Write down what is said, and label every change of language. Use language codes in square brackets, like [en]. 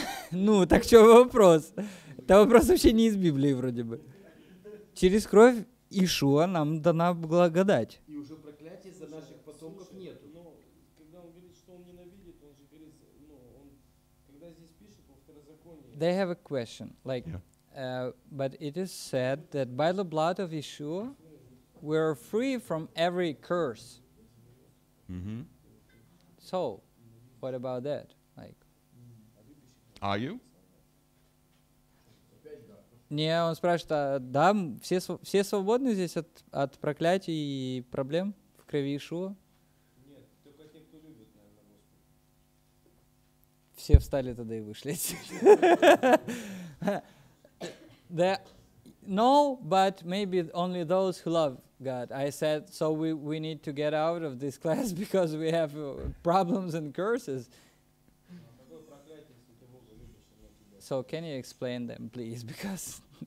[ru] Ну, так что вопрос? Это вопрос вообще не из Библии вроде бы. Через кровь Иешуа нам дана благодать. И уже проклятия за наших потомков нет. Но когда он говорит, что он ненавидит, он же говорит, ну, он, когда здесь пишет, во второзаконии. [en] They have a question. Like, but it is said that by the blood of Yeshua, we are free from every curse. Mm-hmm. So, what about that? Like, are you? [ru] Не, он спрашивает, да, все свободны здесь от проклятий и проблем в крови Иешуа? Нет, только те, кто любит, наверное, Господа. Все встали тогда и вышли. [en] The, no, but maybe only those who love God. I said, so we need to get out of this class because we have problems and curses. So can you explain them, please? Because